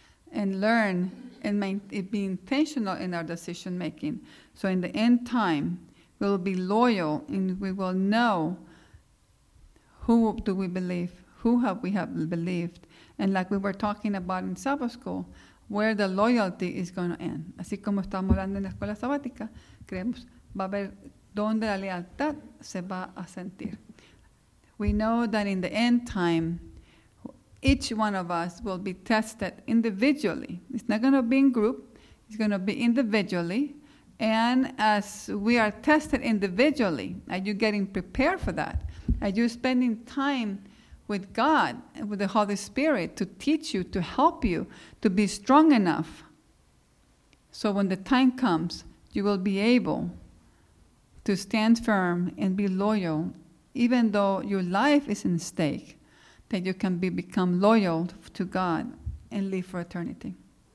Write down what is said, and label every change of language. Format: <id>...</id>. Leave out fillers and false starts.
<en>And learn and be intentional in our decision making. So in the end time, we'll be loyal and we will know who do we believe, who have we have believed. And like we were talking about in Sabbath School, where the loyalty is going to end.</en> <es>Así como estamos hablando en la escuela sabática, creemos va a ver dónde la lealtad se va a sentir.</es> <en>We know that in the end time, each one of us will be tested individually. It's not going to be in group. It's going to be individually. And as we are tested individually, are you getting prepared for that? Are you spending time with God, with the Holy Spirit, to teach you, to help you, to be strong enough so when the time comes, you will be able to stand firm and be loyal, even though your life is in stake, that you can become loyal to God and live for eternity.</en>